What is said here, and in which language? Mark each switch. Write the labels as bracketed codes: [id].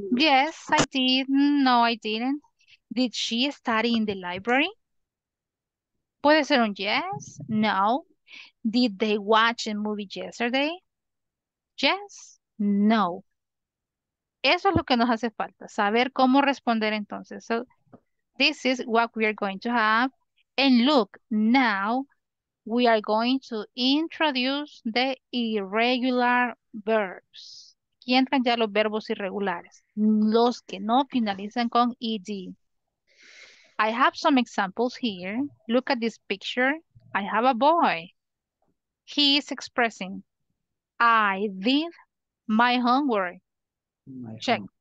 [en] Yes, I did. No, I didn't. Did she study in the library? [es] Puede ser un [en] yes, no. Did they watch a movie yesterday? Yes, no. [es] Eso es lo que nos hace falta, saber cómo responder entonces. [en] So, this is what we are going to have. And look, now we are going to introduce the irregular verbs. [es] Aquí entran ya los verbos irregulares, los que no finalizan con ed. [en] I have some examples here. Look at this picture. I have a boy. He is expressing, I did my homework. Check.